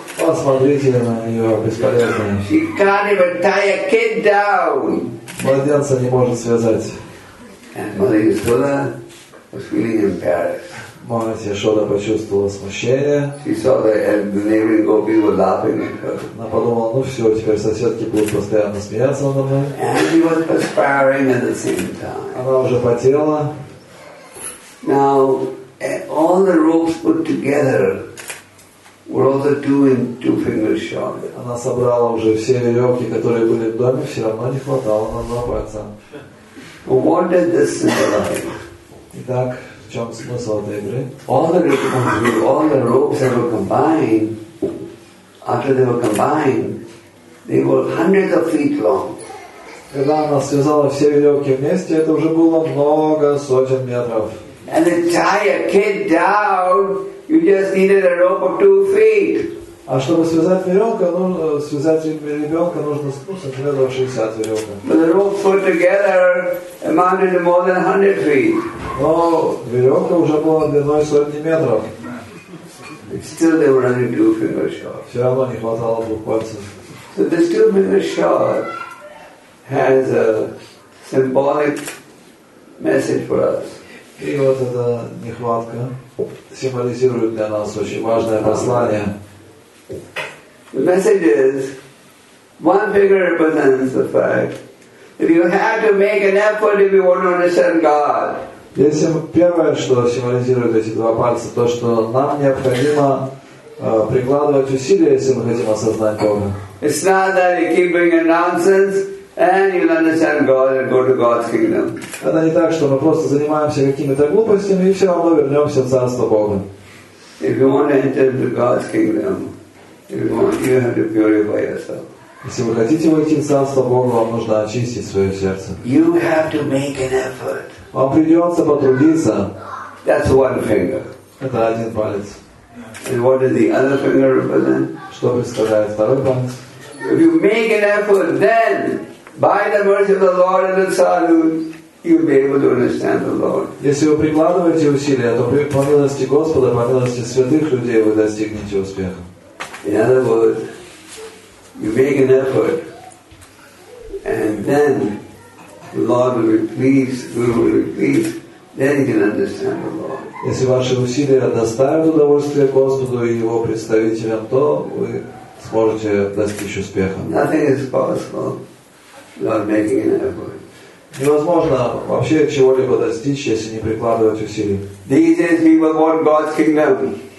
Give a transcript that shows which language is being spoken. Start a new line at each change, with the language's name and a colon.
Russian: Посмотрите на ее бесполезное.
English: She can't even tie a kid down.
Russian: Младенца не может связать.
English: And Mother Yashoda was feeling embarrassed.
Russian: Мать Яшода почувствовала смущение.
English: She saw that the neighboring gopis were laughing at her.
Russian: Она подумала, ну все, теперь соседки будут постоянно смеяться надо мной.
English: And she was perspiring at the same time.
Russian: Она уже потела.
English: Now, all the ropes put together were also 2 fingers short.
Russian: Она собрала уже все веревки, которые были в доме, все равно не хватало на 2 пальца.
English: What did this symbolize?
Russian: Итак, в чем смысл этой игры?
English: All the ropes that were combined, after they were combined, they were hundreds of feet long.
Russian: Когда она связала все веревки вместе, это уже было много сотен метров.
English: And to tie a kid down, you just needed a rope of 2 feet.
Russian: А чтобы связать веревку, нужно спустить 60 веревок.
English: But the rope put together amounted to more than 100 feet.
Russian: Но веревка уже была длиной сотни метров.
English: Still they were only 2 fingers short.
Russian: Все равно не хватало 2 пальцев.
English: So this 2 fingers short has a symbolic message for us.
Russian: И вот эта нехватка символизирует для нас очень важное послание.
English: The message is, 1 finger represents the fact that you have to make an effort if you want to understand God.
Russian: Если первое, что символизирует эти 2 пальца, то, что нам необходимо прикладывать усилия, если мы хотим осознать Бога.
English: It's not that you keep bringing nonsense and you'll understand God and go to God's kingdom.
Russian: Это не так, что мы просто занимаемся какими-то глупостями и все равно вернемся в Царство Бога.
English: If you want to enter into God's kingdom, you have to purify yourself.
Russian: Если вы хотите войти в Царство Бога, вам нужно очистить свое сердце.
English: You have to make an effort.
Russian: Вам придется потрудиться.
English: That's 1 finger.
Russian: Это 1 палец.
English: And what does the other finger represent?
Russian: Что представляет 2 палец?
English: If you make an effort, then by the mercy of the Lord and the Son, you'll be able to understand the Lord.
Russian: Если вы прикладываете усилия, то по милости Господа, по милости святых людей, вы достигнете успеха.
English: In other words, you make an effort, and then the Lord will be pleased, we will be pleased, then you can understand the Lord.
Russian: Если ваши усилия доставят удовольствие Господу и Его представителям, то вы сможете достичь успеха.
English: Nothing is possible without making an effort.
Russian: Невозможно вообще чего-либо достичь, если не прикладывать усилий.
English: These days people want God's kingdom.